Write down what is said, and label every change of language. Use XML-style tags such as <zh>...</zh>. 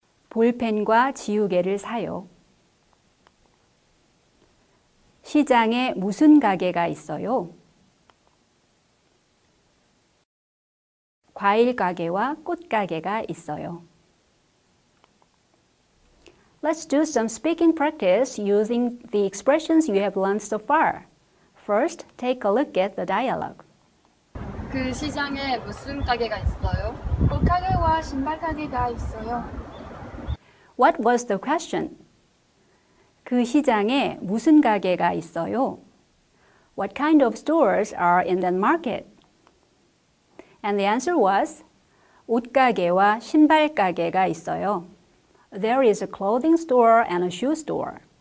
<ko>볼펜과 지우개를 사요. 시장에 무슨 가게가 있어요? 과일 가게와 꽃 가게가 있어요.</ko> <en>Let's do some speaking practice using the expressions you have learned so far. First, take a look at the dialogue.</en> <ko>그 시장에 무슨 가게가 있어요? 옷 가게와 신발 가게가 있어요.</ko> <en>What was the question?</en> <ko>그 시장에 무슨 가게가 있어요?</ko> <en>What kind of stores are in that market? And the answer was</en> <ko>옷 가게와 신발 가게가 있어요.</ko> <en>There is a clothing store and a shoe store.</en>